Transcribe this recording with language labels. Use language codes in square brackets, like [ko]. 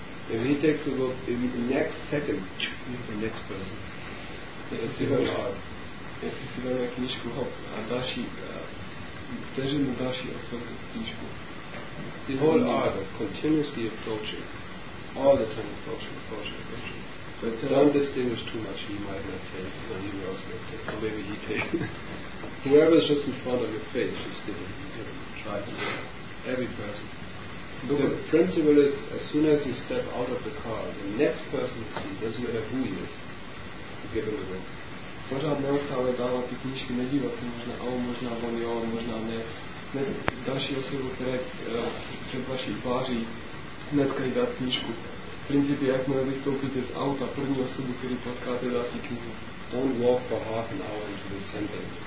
[en] If he takes a book, in the next second, the next person. [cs] Jak si si dáme knížku, hop, a další, vteřinu další osobu knížku. [en] The whole art of continuously approaching, all the time approaching. But don't distinguish too much, he might not take, or he also not take, or maybe he take. Whoever is just in front of your face, you still try to do it. Every person. The principle is, as soon as you step out of the car, the next person you see, doesn't matter who he is, give him a look. [cs] Pořád neustále dávat ty knížky, nedívat se možná o, možná on jo, možná ne. Ne další osobu, které před vaší tváří hnedka jí dát knížku. V principě, jakmile vystoupíte z auta, první osobu, který potkáte, dát si knížku. [en] Don't walk for half an hour into the center.